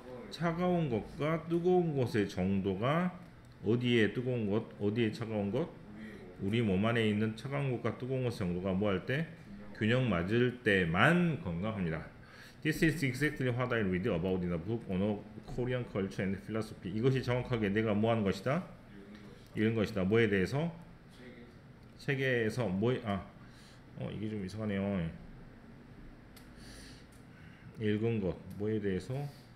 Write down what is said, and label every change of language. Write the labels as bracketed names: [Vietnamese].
[Korean] 차가운 것과 뜨거운 것의 정도가 어디에 뜨거운 것? 어디에 차가운 것? 우리 몸 안에 있는 차가운 것과 뜨거운 것의 정도가 뭐 할 때? 균형 맞을 때만 건강합니다. [English] This is exactly what I read about in the book on Korean culture and philosophy. [Korean] 이것이 정확하게 내가 뭐 하는 것이다? 읽은 것이다. 뭐에 대해서? 책에서 뭐에, 이게 좀 이상하네요. 읽은 것, 뭐에 대해서?